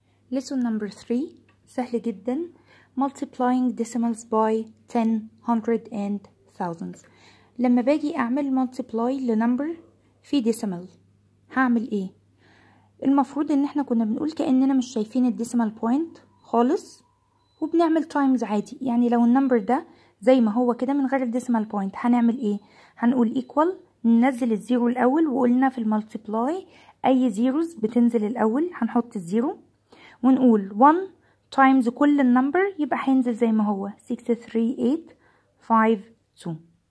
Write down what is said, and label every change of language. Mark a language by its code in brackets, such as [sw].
[en] Lesson number 3 [ar] سهل جدا. [en] Multiplying decimals by 10, 100 and thousands. [ar] لما باجي اعمل multiply لنمبر في decimal هعمل ايه؟ المفروض ان احنا كنا بنقول كأننا مش شايفين الديسيمال بوينت خالص وبنعمل تايمز عادي. يعني لو النمبر ده زي ما هو كده من غير الديسيمال بوينت هنعمل ايه؟ هنقول equal ننزل الزيرو الاول، وقلنا في المالتيبلاي اي زيروز بتنزل الاول هنحط الزيرو، ونقول 1 تايمز كل النمبر يبقى هينزل زي ما هو 63852.